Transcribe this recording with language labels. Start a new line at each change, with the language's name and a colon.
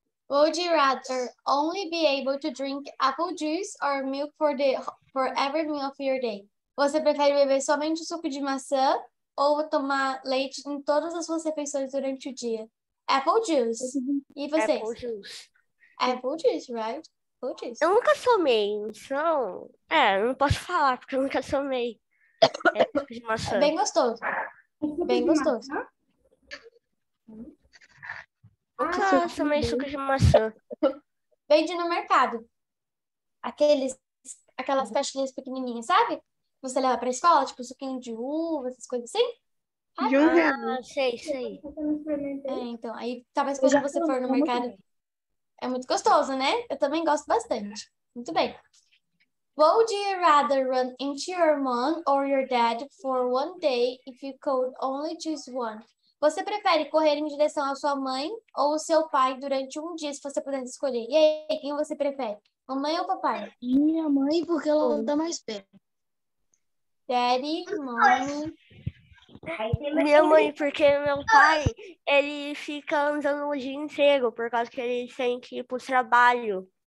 English: Would you rather only be able to drink apple juice or milk for every meal of your day?
Portuguese: Você prefere beber somente suco de maçã ou tomar leite em todas as suas refeições durante o dia?
English: Apple juice.
Portuguese: E vocês?
English: Apple juice, right? Apple juice.
Portuguese: Eu nunca somei, então... É, não posso falar, porque eu nunca somei. É bem gostoso. Bem gostoso. Nunca somei suco de maçã. Vende no mercado. Aquelas caixinhas pequenininhas, sabe? Você leva pra escola, tipo, suquinho de uva, essas coisas assim? Sei. É, então, aí, talvez quando você for no mercado... Bem. É muito gostoso, né? Eu também gosto bastante. Muito bem.
English: Would you rather run into your mom or your dad for one day if you could only choose one?
Portuguese: Você prefere correr em direção à sua mãe ou ao seu pai durante um dia, se você pudesse escolher? E aí, quem você prefere? Mamãe ou papai? Minha mãe, porque ela não tá mais perto.
English: Daddy, mommy,
Portuguese: Minha mãe, porque meu pai, ele fica andando o dia inteiro, por causa que ele tem que ir pro trabalho.